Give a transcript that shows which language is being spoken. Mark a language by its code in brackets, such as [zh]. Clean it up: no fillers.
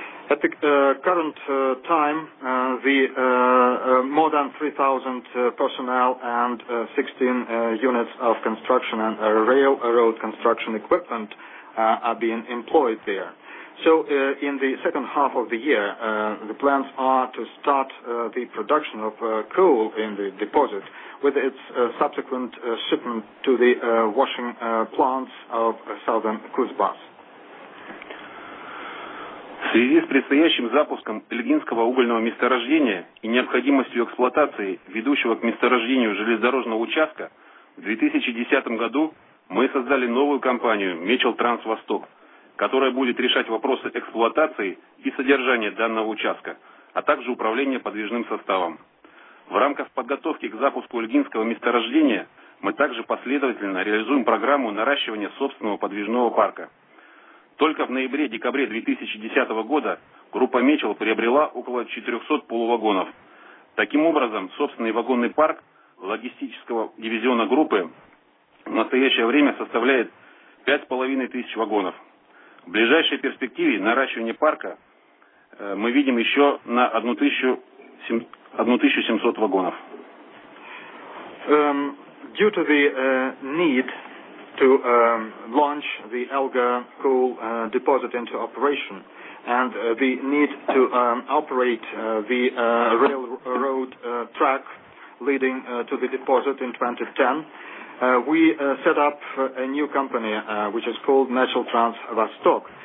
[en] At the current time, the more than 3,000 personnel and 16 units of construction and railroad construction equipment are being employed there. So in the second half of the year, the plans are to start the production of coal in the deposit with its subsequent shipment to the washing plants of southern Kuzbass. [ru] В связи с предстоящим запуском Ильгинского угольного месторождения и необходимостью эксплуатации ведущего к месторождению железнодорожного участка, в 2010 году мы создали новую компанию «Metchel Trans Восток», которая будет решать вопросы эксплуатации и содержания данного участка, а также управления подвижным составом. В рамках подготовки к запуску Ильгинского месторождения мы также последовательно реализуем программу наращивания собственного подвижного парка. Только в ноябре-декабре 2010 года группа «Metchel» приобрела около 400 полувагонов. Таким образом, собственный вагонный парк логистического дивизиона группы в настоящее время составляет 5500 вагонов. В ближайшей перспективе наращивание парка мы видим еще на 1700 вагонов. [en] Due to the need to launch the Elga coal deposit into operation, and the need to operate the railroad track leading to the deposit in 2010, we set up a new company, which is called Nacheltrans Vostok.